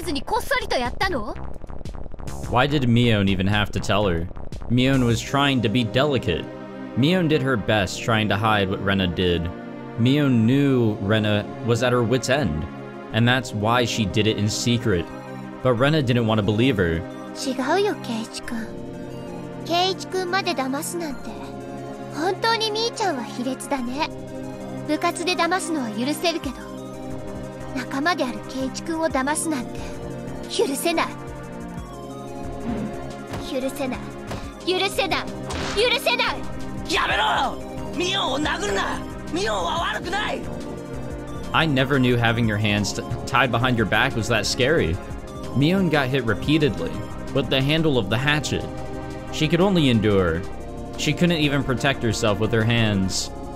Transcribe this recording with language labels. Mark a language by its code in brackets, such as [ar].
[ja] だから、ミオンがお前を助けるためにやってくれたんだよ。嘘だよ。嘘だよ。信じないよ。なら、なんでそんなことを私に相談せずにこっそりとやったの。 [en] Why did Mion even have to tell her? Mion was trying to be delicate. Mion did her best trying to hide what Rena did. Mion knew Rena was at her wit's end, and that's why she did it in secret. But Rena didn't want to believe her. [ja] 違うよ、ケイチ君。ケイチ君まで騙すなんて、本当にミーちゃんは卑劣だね。部活で騙すのは許せるけど、仲間であるケイチ君を騙すなんて許せない。許せない。許せない。許せない。やめろ。ミオンを殴るな。ミオンは悪くない。 [en] I never knew having your hands tied behind your back was that scary. Mion got hit repeatedly with the handle of the hatchet. She could only endure. She couldn't even protect herself with her hands.